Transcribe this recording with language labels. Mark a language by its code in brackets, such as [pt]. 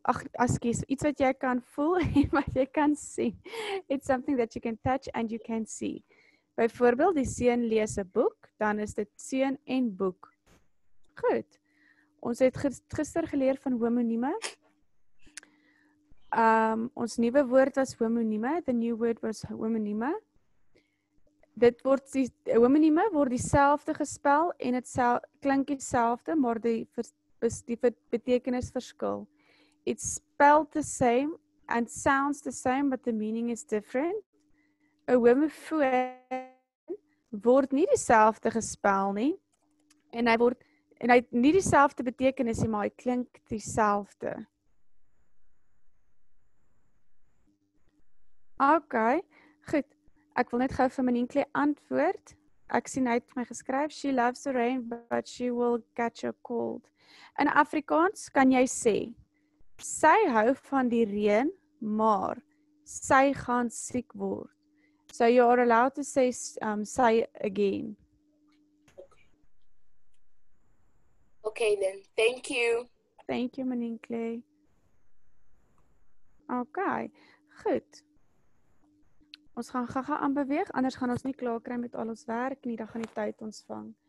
[af] Ag, ekskuus, iets wat jy kan voel en wat jy kan sien. [en] It's something that you can touch and you can see. [af] Byvoorbeeld, die seun lees 'n boek, dan is dit seun en boek. Goed. Ons het gister geleer van homonieme. Ons nuwe woord was homonieme. [en] The new word was homonieme. [af] Dit word die homonieme word dieselfde gespel en het klink dieselfde, maar die betekenis verskil. [en] It's spelled the same and sounds the same, but the meaning is different. [af] Oomofoon word nie dieselfde gespel nie, en hy word en hy nie dieselfde betekenis nie, maar hy klink dieselfde. Okay, goed. Ek wil net gou vir my enkele antwoord. Ek sien uit my geskryf, [en] she loves the rain, but she will catch a cold. [af] In Afrikaans kan jy sê, sy hou van die reën, maar sy gaan siek word. [en] So you are allowed to say [af] sy [en] again. Okay then, thank you. Thank you, Maninkle. [af] Okay, goed. Ons gaan gaga aan beweeg, anders gaan ons nie klaar kry met al ons werk nie, dan gaan die tyd ons vang.